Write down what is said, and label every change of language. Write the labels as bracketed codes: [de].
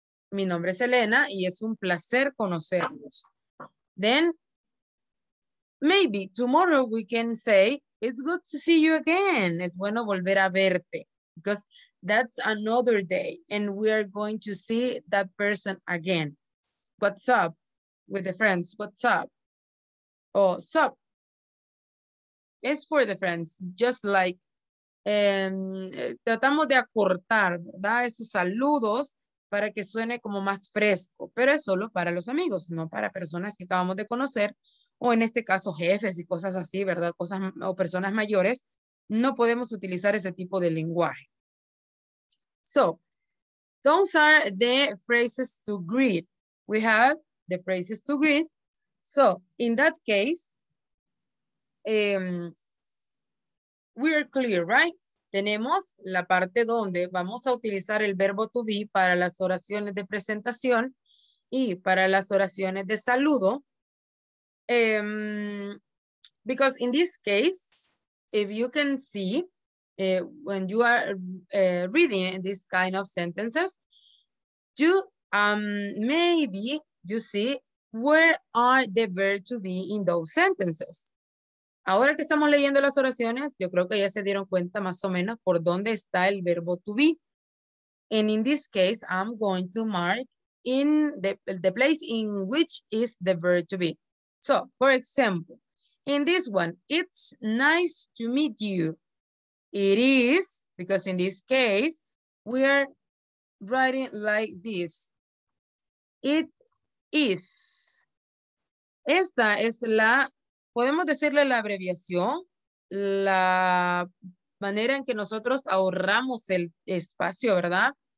[es] Mi nombre es Elena y es un placer conocernos. [en] Then, maybe tomorrow we can say, it's good to see you again. [es] Es bueno volver a verte. [en] Because that's another day and we are going to see that person again. What's up with the friends? What's up? Oh, sup. [es] Es [en] for the friends, just like [es] tratamos de acortar, ¿verdad? Esos saludos para que suene como más fresco, pero es solo para los amigos, no para personas que acabamos de conocer, o en este caso jefes y cosas así, ¿verdad? Cosas o personas mayores, no podemos utilizar ese tipo de lenguaje. [en] So, those are the phrases to greet. We have the phrases to greet. So, in that case, we are clear, right? [es] Tenemos la parte donde vamos a utilizar el verbo to be para las oraciones de presentación y para las oraciones de saludo. [en] Because in this case, if you can see, when you are reading this kind of sentences, you maybe you see where are the verb to be in those sentences. [es] Ahora que estamos leyendo las oraciones, yo creo que ya se dieron cuenta más o menos por dónde está el verbo to be. [en] And in this case, I'm going to mark in the place in which is the verb to be. So, for example, in this one, it's nice to meet you. It is, because in this case, we are writing like this. It is. [es] Esta es la, podemos decirle la abreviación, la manera en que nosotros ahorramos el espacio, ¿verdad?